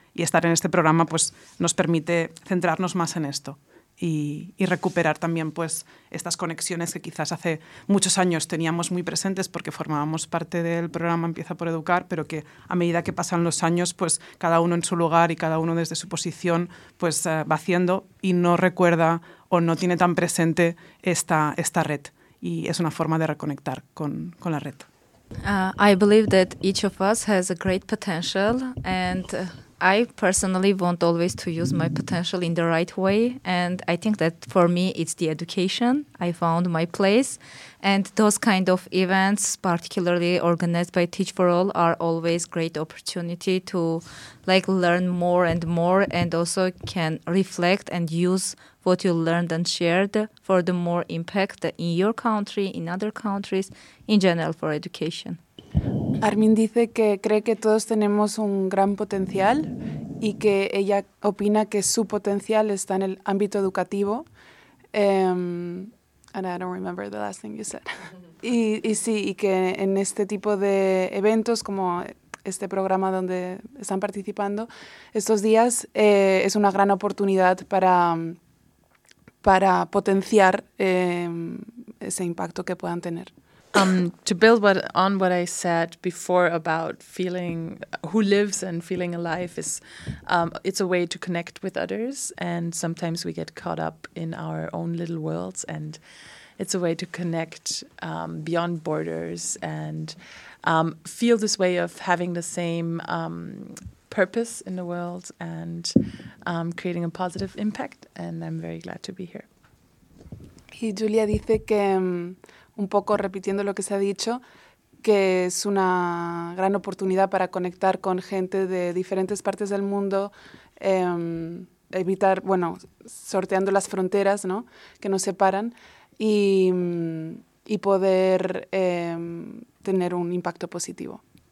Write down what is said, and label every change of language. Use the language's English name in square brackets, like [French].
[Spanish] Y estar en este programa pues nos permite centrarnos más en esto y recuperar también pues estas conexiones que quizás hace muchos años teníamos muy presentes porque formábamos parte del programa Empieza por Educar, pero que a medida que pasan los años pues cada uno en su lugar y cada uno desde su posición pues va haciendo y no recuerda o no tiene tan presente esta red, y es una forma de reconectar con la red. [English] I believe that each of us has a great potential, and I personally want always to use my potential in the right way, and I think that for me it's the education. I found my place, and those kind of events, particularly organized by Teach for All, are always great opportunity to like learn more and more, and also can reflect and use what you learned and shared for the more impact in your country, in other countries, in general for education. [Spanish] Armin dice que cree que todos tenemos un gran potencial y que ella opina que su potencial está en el ámbito educativo. [English] And I don't remember the last thing you said. [Spanish] Y sí, y que en este tipo de eventos, como este programa donde están participando estos días, es una gran oportunidad para potenciar ese impacto que puedan tener. [English] To build on what I said before about feeling who lives and feeling alive is, it's a way to connect with others, and sometimes we get caught up in our own little worlds, and it's a way to connect beyond borders and feel this way of having the same purpose in the world and creating a positive impact, and I'm very glad to be here. [Spanish] Y Julia dice que, un poco repitiendo lo que se ha dicho, que es una gran oportunidad para conectar con gente de diferentes partes del mundo, evitar, bueno, sorteando las fronteras, ¿no?, que nos separan, y poder tener un impacto positivo.